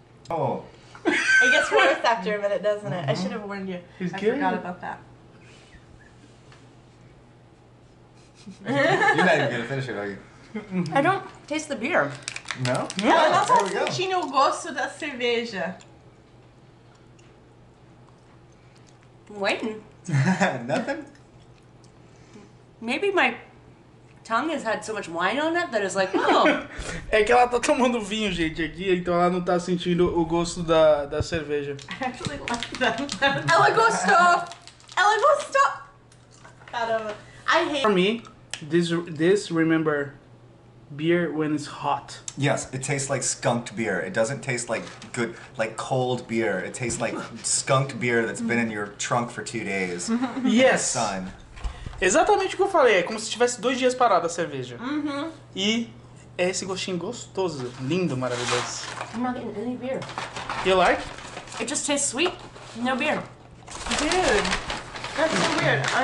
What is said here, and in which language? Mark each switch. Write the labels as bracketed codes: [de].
[en] Oh. It gets worse after a minute, doesn't it? I should have warned you. It's I good. Forgot about that. You're not even gonna finish it, are you? I don't taste the beer. No? [pt] Ela não tá sentindo o gosto da cerveja. [en] I'm waiting. Nothing? Maybe my tongue has had so much wine on it that it's like, oh. [pt] É que ela tá tomando vinho, gente, aqui, então ela não tá sentindo o gosto da cerveja. [en] I actually like that. [pt] Ela gostou! [en] Caramba. I hate For me, this remember... Beer when it's hot. Yes, it tastes like skunked beer. It doesn't taste like good, like cold beer. It tastes like skunked beer that's been in your trunk for 2 days. Yes. In the sun. [pt] Exatamente o que eu falei. É como se tivesse 2 dias parada a cerveja. Uhum. E é esse gostinho gostoso, lindo, maravilhoso. [en] I'm not getting any beer. You like? It just tastes sweet. No beer. Dude, that's so weird.